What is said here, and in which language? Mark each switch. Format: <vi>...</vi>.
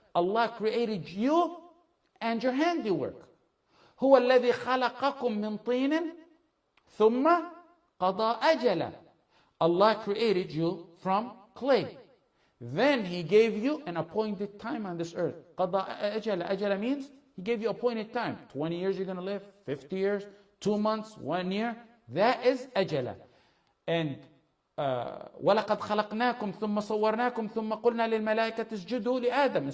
<en>Allah created you and your handiwork.</en> <ar>هو الذي خلقكم من طين ثم قضى أجلا.</ar> <en>Allah created you from clay. Then He gave you an appointed time on this earth.</en> <ar>قضى أجلا.</ar> <en>أجلا means He gave you appointed time. 20 years you're going to live, 50 years, 2 months, 1 year. That is أجلا.</en> <ar>And وَلَقَدْ خَلَقْنَاكُمْ ثُمَّ صَوَّرْنَاكُمْ ثُمَّ قُلْنَا لِلْمَلَائِكَةِ اسْجُدُوا لِآدَمَ.</ar>